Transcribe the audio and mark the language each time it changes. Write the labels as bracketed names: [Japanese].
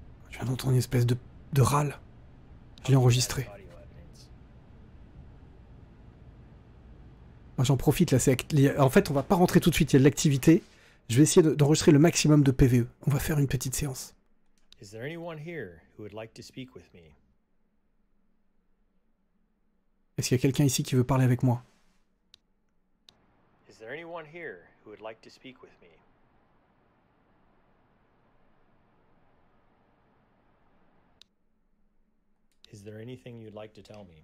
[French] Je viens d'entendre une espèce de râle. Je l'ai enregistré. Moi j'en profite là, en fait on va pas rentrer tout de suite, il y a de l'activité. Je vais essayer d'enregistrer le maximum de PVE. On va faire une petite séance. [English] Is there anyone here who would like to speak with me? [French] Est-ce qu'il y a quelqu'un ici qui veut parler avec moi? [English] Is there anyone here who would like to speak with me? Is there anything you'd like to tell me?